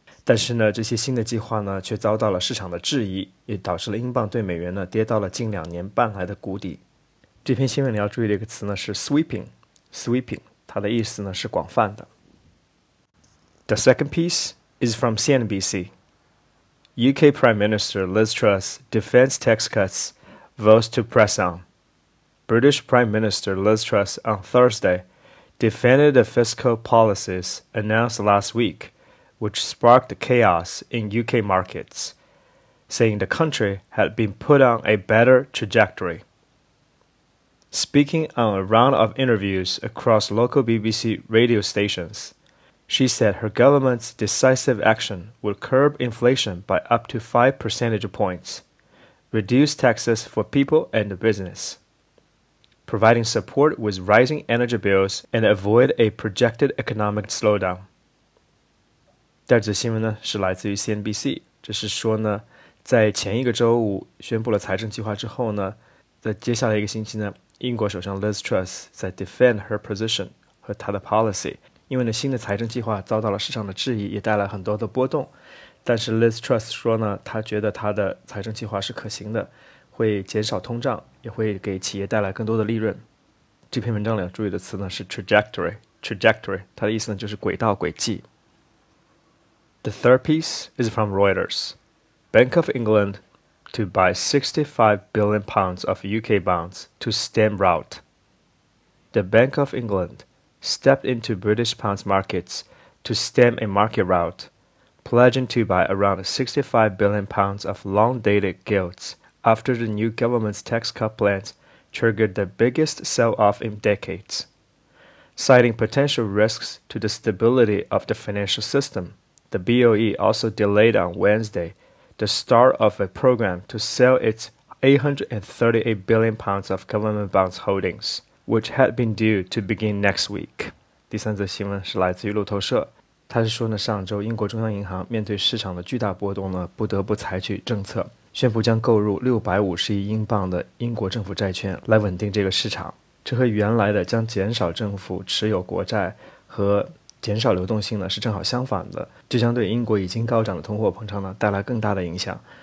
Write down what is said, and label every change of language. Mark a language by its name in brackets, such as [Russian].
[Chinese] 但是呢，这些新的计划呢，却遭到了市场的质疑，也导致了英镑对美元呢，跌到了近两年半来的谷底。这篇新闻你要注意的一个词呢，是 sweeping， 它的意思呢，是广泛的。 [English] The second piece is from CNBC. UK Prime Minister Liz Truss defends tax cuts, vows to press on. British Prime Minister Liz Truss on Thursday defended the fiscal policies announced last week,which sparked chaos in UK markets, saying the country had been put on a better trajectory. Speaking on a round of interviews across local BBC radio stations, she said her government's decisive action would curb inflation by up to 5 percentage points, reduce taxes for people and business, providing support with rising energy bills and avoid a projected economic slowdown. [Chinese] 第二则新闻呢是来自于 CNBC， 这是说呢，在前一个周五宣布了财政计划之后呢，在接下来一个星期呢，英国首相 Liz Truss 在 [English] defend her position [Chinese] 和她的 policy， 因为呢新的财政计划遭到了市场的质疑，也带来很多的波动。但是 Liz Truss 说呢，她觉得她的财政计划是可行的，会减少通胀，也会给企业带来更多的利润。这篇文章里要注意的词呢是 trajectory， trajectory, 它的意思呢就是轨道轨迹。 [English] The third piece is from Reuters. Bank of England to buy £65 billion of UK bonds to stem rout. The Bank of England stepped into British pounds markets to stem a market rout, pledging to buy around £65 billion of long-dated gilts after the new government's tax cut plans triggered the biggest sell-off in decades. Citing potential risks to the stability of the financial system, the BOE also delayed on Wednesday the start of a program to sell its £838 billion of government bonds holdings, which had been due to begin next week. [Chinese] 第三则新闻是来自于路透社，他是说呢，上周英国中央银行面对市场的巨大波动呢，不得不采取政策，宣布将购入650亿英镑的英国政府债券来稳定这个市场。这和原来的将减少政府持有国债和减少流动性呢是正好相反的，这将对英国已经高涨的通货膨胀呢带来更大的影响。